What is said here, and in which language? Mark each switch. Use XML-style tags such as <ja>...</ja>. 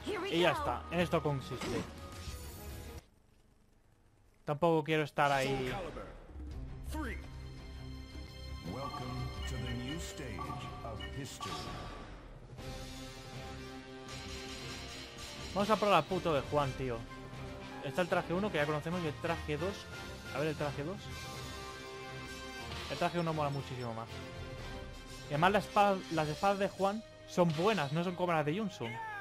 <es>Y ya está, en esto consiste. Tampoco quiero estar ahí.</es> <en>Welcome to the new stage of history.</en> <es>Vamos a probar al puto de Juan, tío. Está el traje 1, que ya conocemos, y el traje 2. A ver el traje 2. El traje 1 mola muchísimo más. Y además las espadas de Juan son buenas, no son como las de Yunsung.</es>